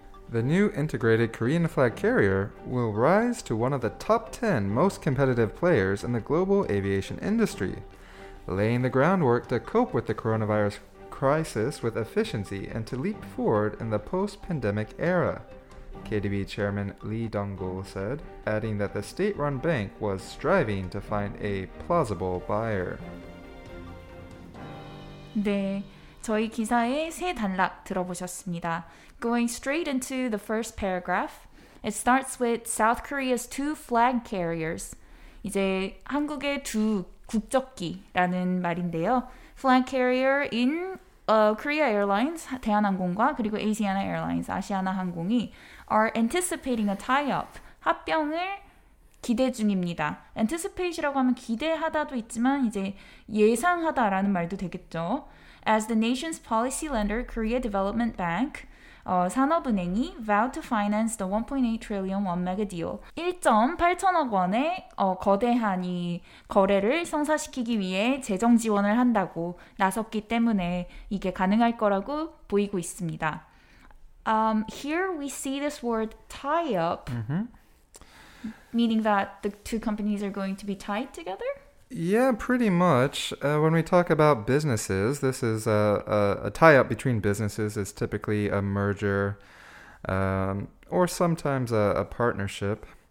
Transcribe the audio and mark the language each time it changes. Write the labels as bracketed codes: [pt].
[en] The new integrated Korean flag carrier will rise to one of the top 10 most competitive players in the global aviation industry, laying the groundwork to cope with the coronavirus crisis with efficiency and to leap forward in the post-pandemic era, KDB Chairman Lee Dong-gul said, adding that the state-run bank was striving to find a plausible buyer. [ko] 네, 저희 기사의 세 단락 들어보셨습니다. [en] Going straight into the first paragraph, it starts with South Korea's two flag carriers. [ko] 이제 한국의 두 국적기라는 말인데요. [en] Flag carrier in Korea Airlines, [ko] 대한항공과 그리고 [en] Asiana Airlines, [ko] 아시아나 항공이 [en] are anticipating a tie-up, [ko] 합병을 기대 중입니다. Anticipate이라고 하면 기대하다도 있지만 이제 예상하다라는 말도 되겠죠. [en] As the nation's policy lender, Korea Development Bank, 산업은행이 vowed to finance the 1.8 trillion won mega deal. [ko] 1.8천억 원의 거대한 이 거래를 성사시키기 위해 재정 지원을 한다고 나섰기 때문에 이게 가능할 거라고 보이고 있습니다. [en] Here we see this word tie-up, meaning that the two companies are going to be tied together? Yeah, pretty much. When we talk about businesses, this is a tie-up between businesses is typically a merger or sometimes a partnership.